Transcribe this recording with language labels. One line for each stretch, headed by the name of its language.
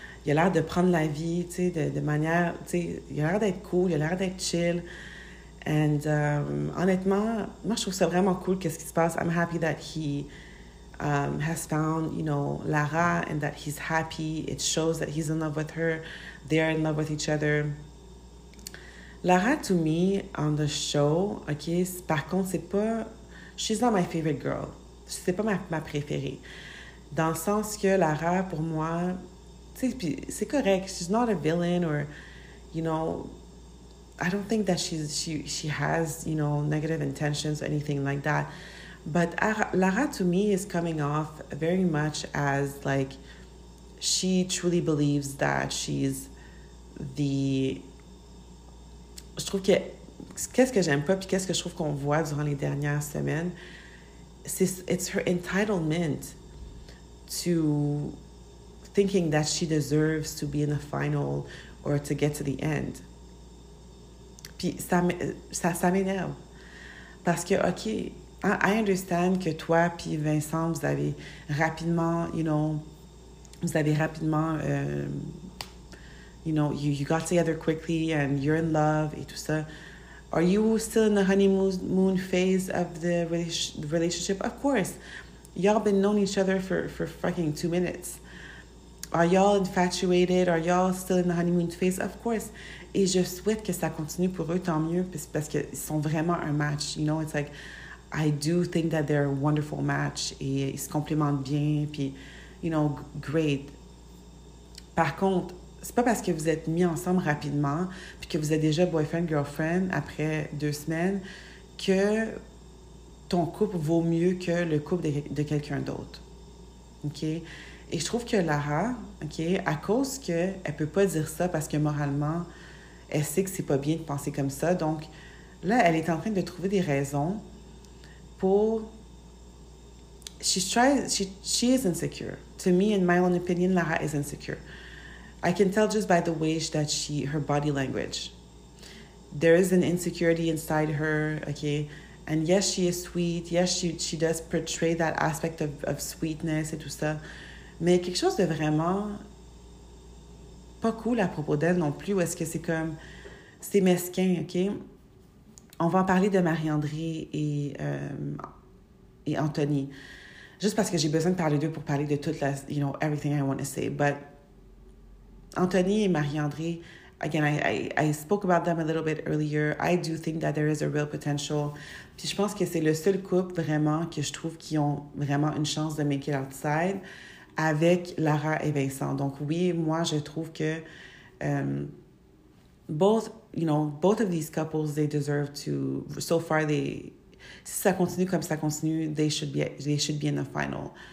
French: Il a l'air de prendre la vie, tu sais, de manière, tu sais, il a l'air d'être cool, il a l'air d'être chill. And honnêtement, moi, je trouve ça vraiment cool qu'est-ce qui se passe.
English: I'm happy that he has found, you know, Lara and that he's happy. It shows that he's in love with her. They are in love with each other. Lara, to me, on the show, OK,
French: par contre, c'est pas...
English: She's not my favorite girl.
French: C'est pas ma préférée. Dans le sens que Lara, pour moi, tu sais, puis c'est correct.
English: She's not a villain or, you know... I don't think that she has, you know, negative intentions or anything like that. But Lara, to me, is coming off very much as, like, she truly believes that she's the...
French: Je trouve que... Qu'est-ce que j'aime pas, puis qu'est-ce que je trouve qu'on voit durant les dernières semaines,
English: it's her entitlement to thinking that she deserves to be in the final or to get to the end.
French: Puis ça m'énerve. Parce que, OK,
English: I understand
French: que toi puis Vincent, vous avez rapidement, you know, vous avez rapidement, you know,
English: you got together quickly and you're in love
French: et tout ça.
English: Are you still in the honeymoon phase of the relationship? Of course. Y'all been knowing each other for fucking 2 minutes. Are y'all infatuated? Are y'all still in the honeymoon phase? Of course.
French: Et je souhaite que ça continue pour eux, tant mieux, parce qu'ils sont vraiment un match.
English: You know, it's like, I do think that they're a wonderful match.
French: Et ils se complimentent bien, puis, you know, great. Par contre, c'est pas parce que vous êtes mis ensemble rapidement, puis que vous êtes déjà boyfriend, girlfriend, après 2 semaines, que ton couple vaut mieux que le couple de quelqu'un d'autre. OK? Et je trouve que Lara, OK, à cause qu'elle peut pas dire ça parce que moralement, elle sait que c'est pas bien de penser comme ça. Donc, là, elle est en train de trouver des raisons pour...
English: She is insecure. To me, in my own opinion, Lara is insecure. I can tell just by the way that she... Her body language. There is an insecurity inside her, okay? And yes, she is sweet. Yes, she does portray that aspect of sweetness
French: et tout ça. Mais quelque chose de vraiment... pas cool à propos d'elle non plus, ou est-ce que c'est comme... C'est mesquin, OK? On va en parler de Marie-André et Anthony. juste parce que j'ai besoin de parler d'eux pour parler de toute la,
English: you know, everything I want to say. But Anthony et Marie-André, again, I spoke about them a little bit earlier. I do think that there is a real potential.
French: Puis je pense que c'est le seul couple vraiment que je trouve qui ont vraiment une chance de
English: make it outside
French: avec Lara et Vincent. Donc oui, moi, je trouve que
English: both of these couples, they deserve to, so far, they,
French: si ça continue comme ça continue,
English: they should be in the final.